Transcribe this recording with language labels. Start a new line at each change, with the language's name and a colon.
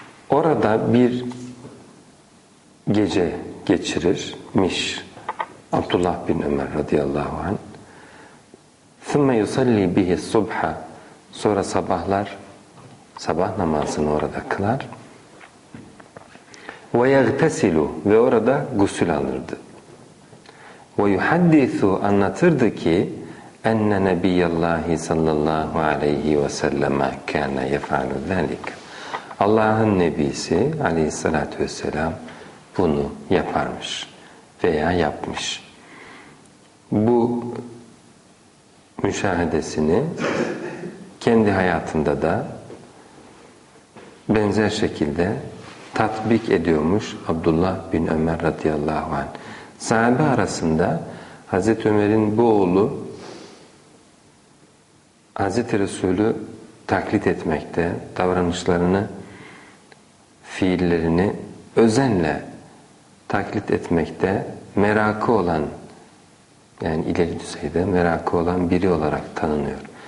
Turkish: Orada bir gece geçirirmiş Abdullah bin Ömer radıyallahu anh.
Arabic: Thumme yusallî bihi subha.
Turkish: Sonra sabahlar sabah namazını orada kılar.
Arabic: وَيَغْتَسِلُ
Turkish: ve orada gusül alırdı.
Arabic: وَيُحَدِّثُ
Turkish: anlatırdı ki
Arabic: اَنَّ نَبِيَّ اللّٰهِ صَلَّى اللّٰهُ عَلَيْهِ وَسَلَّمَا كَانَ يَفَعْلُ ذَلِكَ
Turkish: Allah'ın Nebisi aleyhissalatü vesselam bunu yaparmış veya yapmış. Bu müşahedesini kendi hayatında da benzer şekilde tatbik ediyormuş Abdullah bin Ömer radıyallahu anh. Sahabe arasında Hazreti Ömer'in bu oğlu Hazreti Resulü taklit etmekte, davranışlarını, fiillerini özenle taklit etmekte merakı olan, yani ileri düzeyde merakı olan biri olarak tanınıyor.